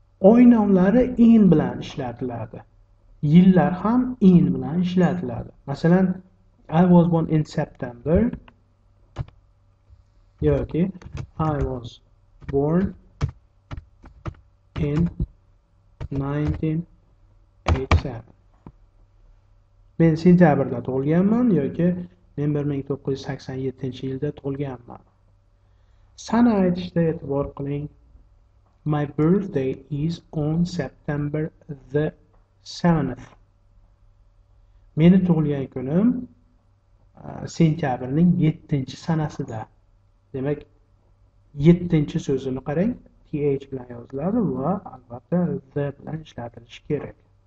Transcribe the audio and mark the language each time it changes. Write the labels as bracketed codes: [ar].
[uz] Oy nomlari in bilan ishlatiladi. Yillar ham in bilan ishlatiladi. [en] Masalan, I was born in September. Yoki I was born in 1987. [uz] Men sentyabrda tug'ilganman yoki men 1987-yilda tug'ilganman. Sana aytishda e'tibor qiling. [en] My birthday is on September the 7th. [uz] Meni tug'ilgan kunim sentyabrning 7-chi sanasida. Demak, 7-chi so'zini qarang. TH bilan yoziladi va albatta the bilan ishlatilishi kerak.